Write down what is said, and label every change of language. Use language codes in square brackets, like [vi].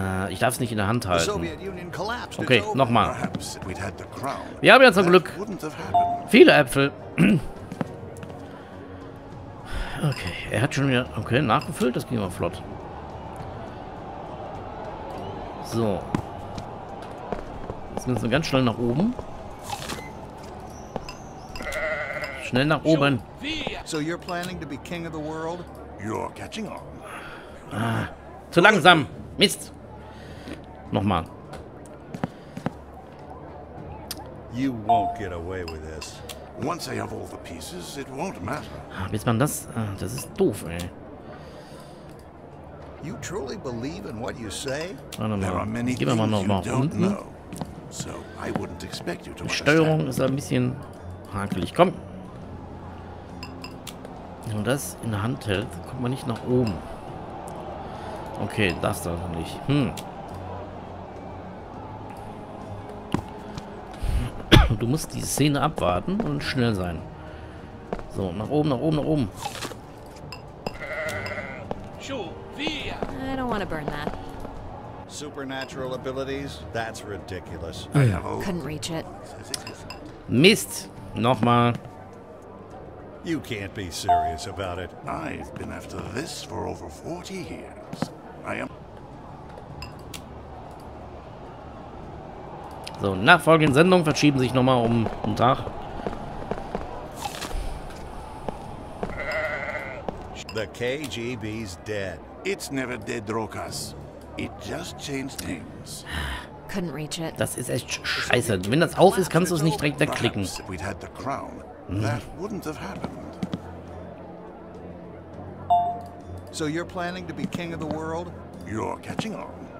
[de] Ich darf es nicht in der Hand halten. Okay, nochmal. Wir haben ja zum Glück viele Äpfel. Okay, er hat schon wieder. Okay, nachgefüllt. Das ging immer flott. So. Jetzt müssen wir ganz schnell nach oben. Schnell nach oben. [en] So, you're planning to be king of the world? You're catching on. [de] Zu langsam. Mist. Nochmal. [en] You won't get away with this. Once I have all the pieces, it won't matter. [de] Bis man das. Das ist doof, ey. [en] You truly believe in what you say? There are many things you don't know. So I wouldn't expect you to understand. [de] Steuerung ist ein bisschen hakelig. Komm. Wenn man das in der Hand hält, kommt man nicht nach oben. Okay, das dann nicht. Du musst die Szene abwarten und schnell sein. So, nach oben, nach oben, nach oben. [en] I don't want to burn that. Supernatural abilities? That's ridiculous. Couldn't reach it. [de] Mist! Nochmal. [en] You can't be serious about it. I've been after this for over 40 years. I am. [de] So, nachfolgende Sendungen verschieben sich nochmal um einen Tag. [en] The KGB's dead. It's never dead, Rokas. It just changed things. Couldn't reach it. [de] Das ist echt scheiße. Wenn das aus ist, kannst du es nicht direkt wegklicken. [en] If we'd had the crown, that wouldn't have happened. So you're planning to be king of the world? You're catching on.